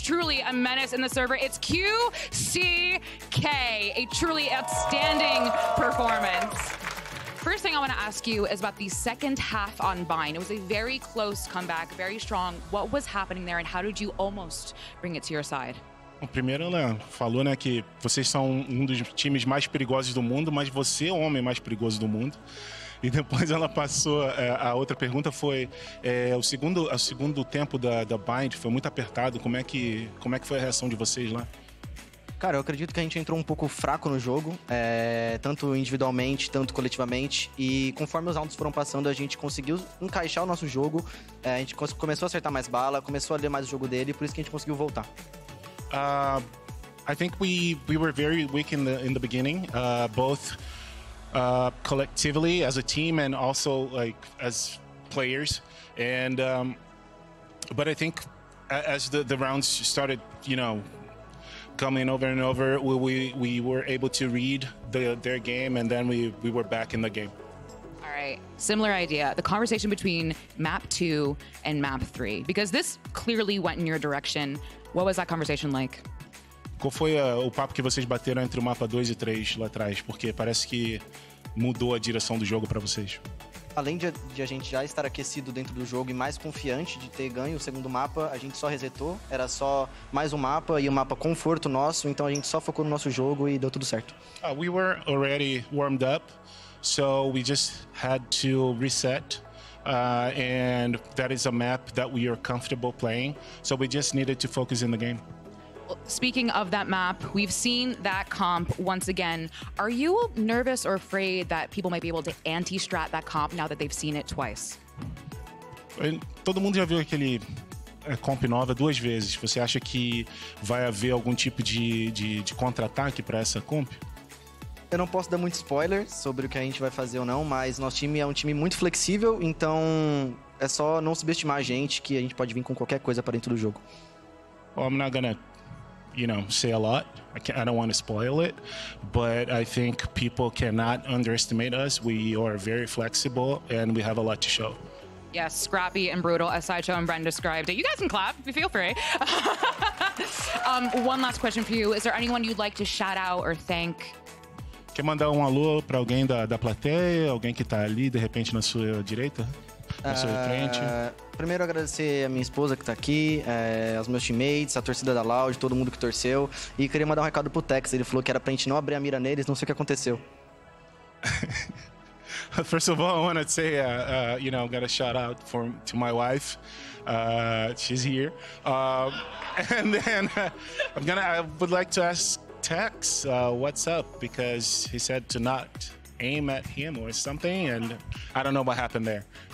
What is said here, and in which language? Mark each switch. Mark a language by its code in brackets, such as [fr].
[en] Truly a menace in the server. It's QCK, a truly outstanding performance. First thing I want to ask you is about the second half on Bind. It was a very close comeback, very strong. What was happening there, and how did you almost bring it to your side? [pt] Primeiro, Leandro, falou, né, que vocês são um dos times mais perigosos do mundo, mas você é o homem mais perigoso do mundo. E depois ela passou, a outra pergunta foi, o segundo tempo da Bind foi muito apertado, como é que foi a reação de vocês lá? Cara, eu acredito que a gente entrou um pouco fraco no jogo, tanto individualmente, tanto coletivamente. E conforme os rounds foram passando, a gente conseguiu encaixar o nosso jogo. A gente começou a acertar mais bala, começou a ler mais o jogo dele, por isso que a gente conseguiu voltar. [en] I think we were very weak in the beginning, both collectively as a team and also like as players. And but I think as the rounds started, you know, coming over and over, we were able to read their game, and then we were back in the game. All right, similar idea. The conversation between map 2 and map 3, because this clearly went in your direction. What was that conversation like? [pt] Qual foi o papo que vocês bateram entre o mapa 2 e 3 lá atrás? Porque parece que mudou a direção do jogo para vocês. Além de a gente já estar aquecido dentro do jogo e mais confiante de ter ganho o segundo mapa, a gente só resetou, era só mais um mapa e um mapa conforto nosso, então a gente só focou no nosso jogo e deu tudo certo. [en] We were already warmed up, so we just had to reset, and that is a map that we are comfortable playing, so we just needed to focus in the game. Speaking of that map, we've seen that comp once again. Are you nervous or afraid that people might be able to anti-strat that comp now that they've seen it twice? [pt] Todo mundo já viu aquele comp nova duas vezes. Você acha que vai haver algum tipo de contra-ataque para essa comp? Eu não posso dar muito spoiler sobre o que a gente vai fazer ou não, mas nosso time é um time muito flexível, então é só não subestimar a gente, que a gente pode vir com qualquer coisa para dentro do jogo. [en] I'm not gonna, you know, say a lot. I don't want to spoil it, but I think people cannot underestimate us. We are very flexible and we have a lot to show. Yes, scrappy and brutal, as Sideshow and Bren described it. You guys can clap, feel free. One last question for you. Is there anyone you'd like to shout out or thank? [pt] Quer mandar um alô para alguém da plateia, alguém que tá ali, de repente, na sua direita? Primeiro agradecer a minha esposa que tá aqui, aos meus teammates, a torcida da Loud, todo mundo que torceu. E queria mandar um recado pro Tex, ele falou que era pra gente não abrir a mira neles, não sei o que aconteceu. [en] First of all, I want to say, you know, got a shout out to my wife. She's here. I would like to ask Tex what's up, because he said to not aim at him or something, and I don't know what happened there.